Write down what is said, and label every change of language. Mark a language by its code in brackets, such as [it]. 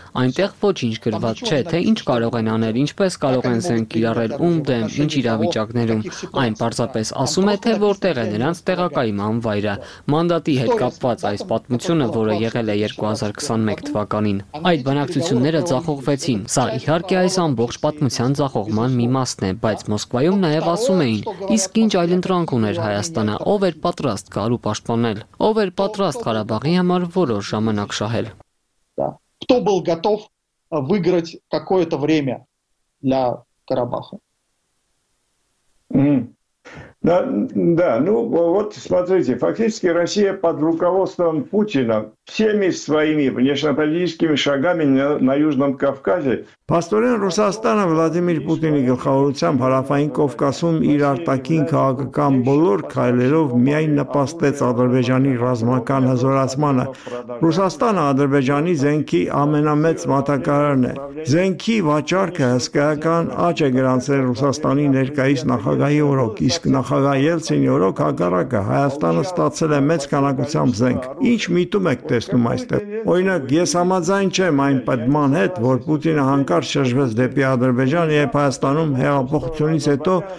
[hy] Այնտեղ ոչինչ գրված չէ, թե ինչ կարող են անել, ինչպես կարող են զենք կիրառել, ում դեմ, ինչ իրավիճակներում։ Այն պարզապես ասում է, թե որտեղ է նրանց տեղակայման վայրը։ Մանդատի հետ կապված այս պատմությունը, որը եղել է 2021 թվականին, այդ բանակցությունները ձախողվեցին։ Սա իհարկե այս ամբողջ պատմության ձախողման մի մասն է, բայց Մոսկվայում նաև ասում էին, իսկ ինչ այլ ընտրանք ուներ Հայաստանը, ով էր պատրաստ գալ ու պաշտպանել, ով էր պատրաստ Ղարաբաղի համար որոշ ժամանակ շահել։ [ru] Кто был готов выиграть какое-то время для Карабаха? Да, ну вот смотрите, фактически Россия под руководством Путина всеми своими внешнеполитическими шагами на Южном Кавказе. [hy] Պաստորեն Ռուսաստանը Վլադիմիր Պուտինի գլխավորությամբ Հարավային Կովկասում իր արտաքին քաղաքական բոլոր քայլերով միայն նպաստեց Ադրբեջանի ռազմական հզորացմանը։ Ռուսաստանը Ադրբեջանի զենքի ամենամեծ մատակարարն է։ Զենքի վաճառքը հսկայական աճ է գրանցել Ռուսաստանի ներկայիս նախագահի օրոք, իսկ նախագահ Ելցինի օրոք հակառակը Հայաստանը ստացել է մեծ քանակությամբ զենք։ Ինչ միտում եք տեսնում այստեղ։ Օրինակ, ես համաձայն չեմ այն պատման հետ, որ Պուտինը հանկարծ շրջվեց դեպի Ադրբեջան, երբ Հայաստանում հեղափոխությունից հետո